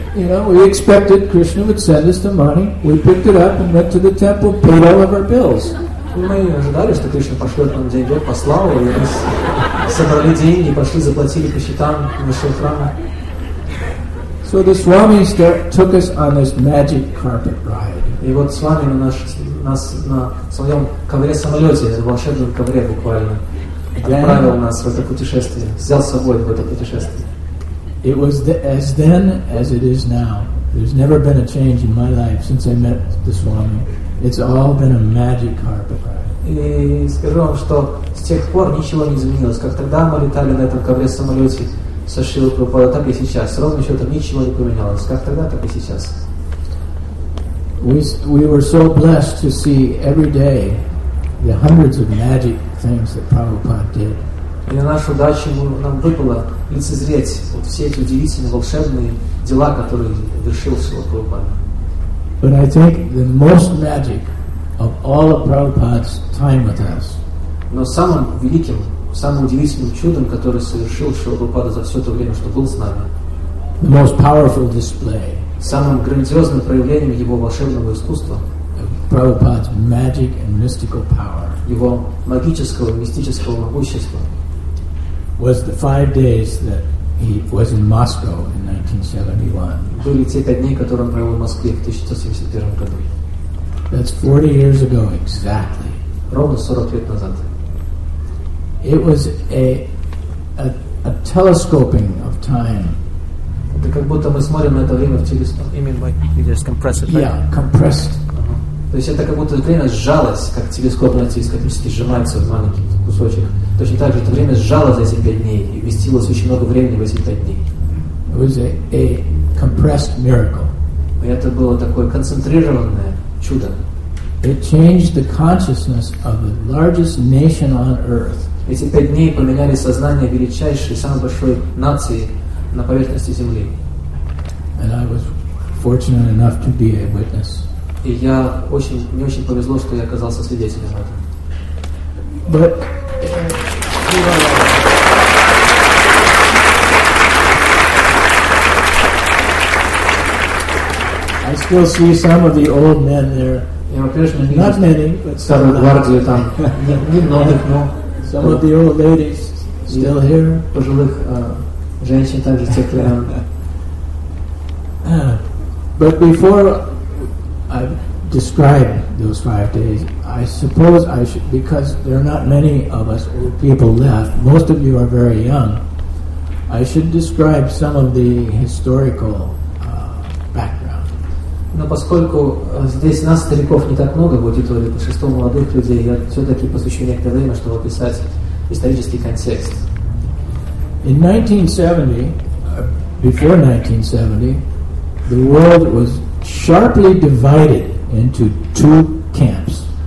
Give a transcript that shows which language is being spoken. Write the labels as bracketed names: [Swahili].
[English] You know, we expected Krishna would send us the money. We picked it up and went to the temple, paid all of our bills. [Russian] Мы ожидали, что Кришна пошлет нам деньги, послал его, и мы собрали деньги, пошли, заплатили по счетам, вышел храм. [English] So the Swami took us on this magic carpet ride. [Russian] И вот Свами нас на своем ковре-самолете, в волшебном ковре буквально, отправил нас в это путешествие, взял с собой в это путешествие. [English] It was as then as it is now. There's never been a change in my life since I met the Swami. It's all been a magic carpet ride. [Russian] И скажу вам, что с тех пор ничего не изменилось. Как тогда мы летали на этом ковре-самолете со Шрилой Прабхупадой, так и сейчас. С ровным счетом ничего не поменялось. Как тогда, так и сейчас. [English] We were so blessed to see every day the hundreds of magic things that Prabhupada did. [Russian] И на нашу удачу нам выпало лицезреть вот все эти удивительные, волшебные дела, которые вершил Шрила Прабхупада. [English] But I think the most magic of all of Prabhupada's time with us. [Russian] Но самым великим, самым удивительным чудом, которое совершил Шрила Прабхупада за все то время, что был с нами. [English] The most powerful display. [Russian] Самым грандиозным проявлением его волшебного искусства. [English] Prabhupada's magic and mystical power. [Russian] Его магического, мистического могущества. [English] Was the 5 days that he was in Moscow in 1971. [Russian] Были те 5 дней, которые он провел в Москве в 1971 году. [English] That's 40 years ago exactly. [Russian] Ровно 40 лет назад. [English] It was a telescoping of time. [Russian] Это как будто мы смотрим на это время в телескоп. [English] You mean like you just compress it? Yeah, compressed. [Russian] То есть это как будто время сжалось, как телескопное телескопически сжимается в маленький кусочек. Точно так же это время сжалось за эти 5 дней и вместилось очень много времени в эти 5 дней. [English] It was a compressed miracle. [Russian] И это было такое концентрированное чудо. [English] It changed the consciousness of the largest nation on earth. [Russian] Эти 5 дней поменяли сознание величайшей, самой большой нации на поверхности Земли. [English] And I was fortunate enough to be a witness. [Russian] И я очень, мне очень повезло, что я оказался свидетелем этого. [English] But I still see some of the old men there. [Russian] Я по-прежнему вижу. [English] Not many, but some of [Russian] гвардию там. Немногих, но. [English] Some of the old ladies still here. [Russian] Пожилых женщин также тех времен. [English] But before I describe those 5 days. I suppose I should, because there are not many of us old people left, most of you are very young, I should describe some of the historical background. [Russian] Но поскольку здесь нас, стариков, не так много в аудитории, по 6 молодых людей, я все-таки посвящу некоторое время, чтобы описать исторический контекст. [English] In 1970, before 1970, the world was sharply divided into two camps.